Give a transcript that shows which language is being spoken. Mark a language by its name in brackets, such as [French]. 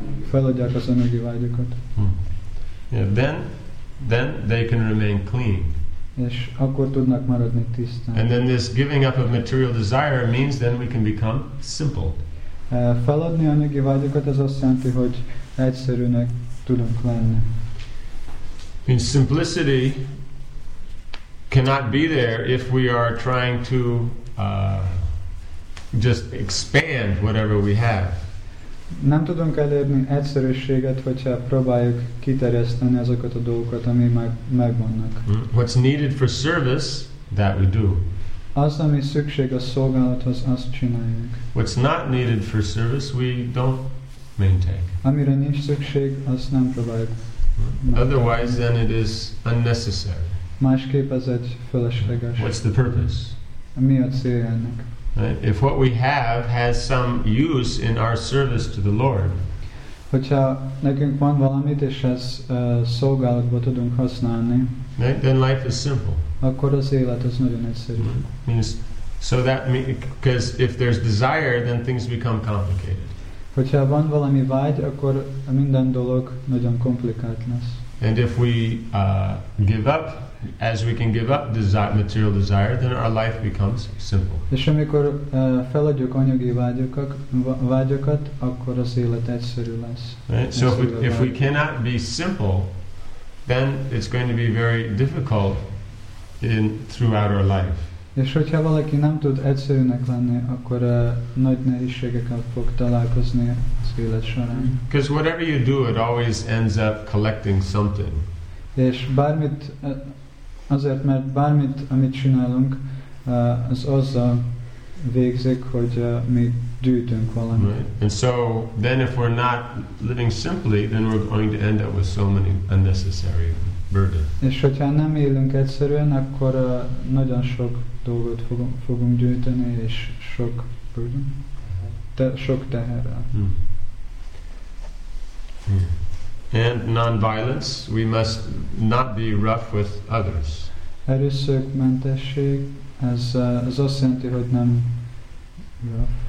[Hungarian] Feladják az anyagi vágyakat. [English] Yeah, then they can remain clean. [Hungarian] És akkor tudnak maradni tisztán. [English] And then this giving up of material desire means then we can become simple. [Hungarian] Feladni anyagi vágyakat az azt jelenti, hogy egyszerűnek tudunk lenni. [English] Means simplicity cannot be there if we are trying to just expand whatever we have. [Hungarian] Nem tudunk elérni egyszerűséget, hogyha próbáljuk kiterjeszteni azokat a dolgokat, ami megvannak. [English] What's needed for service, that we do. [Hungarian] Az, ami szükség a szolgálathoz, azt csináljuk. [English] What's not needed for service, we don't maintain. [Hungarian] Amire nincs szükség, azt nem próbáljuk. [English] Otherwise, then it is unnecessary. [Hungarian] Másképp ez egy felesleges. [English] What's the purpose? [Hungarian] Mi a cél ennek? [English] Right? If what we have has some use in our service to the Lord, [Hungarian] hogyha nekünk van valamit, és ez szolgálatba tudunk használni, [English] right? Then life is simple. [Hungarian] Akkor az élet az nagyon egyszerű. Mm-hmm. [English] Means, so that because if there's desire, then things become complicated. [Hungarian] Hogyha van valami vágy, akkor minden dolog nagyon komplikált lesz. [English] And if we give up, as we can give up material desire, then our life becomes simple. [Hungarian] És amikor feladjuk anyagi vágyakat, akkor az élet egyszerű lesz. [English] Right? So if we cannot be simple, then it's going to be very difficult throughout our life. [Hungarian] És hogyha valaki nem tud egyszerűnek lenni, akkor nagy nehézségekkel fog találkozni az élet során. [English] Because whatever you do, it always ends up collecting something. [Hungarian] És bármit azért, mert bármit, amit csinálunk, az azzal végzik, hogy mi gyűjtünk valamit. [English] Right. And so, then if we're not living simply, then we're going to end up with so many unnecessary burdens. [Hungarian] És hogyha nem élünk egyszerűen, akkor nagyon sok dolgot fogunk gyűjteni, és sok burden, sok teherrel. [English] And non-violence, we must not be rough with others. [Hungarian] Erőszakmentesség, ez az azt jelenti, hogy nem rough.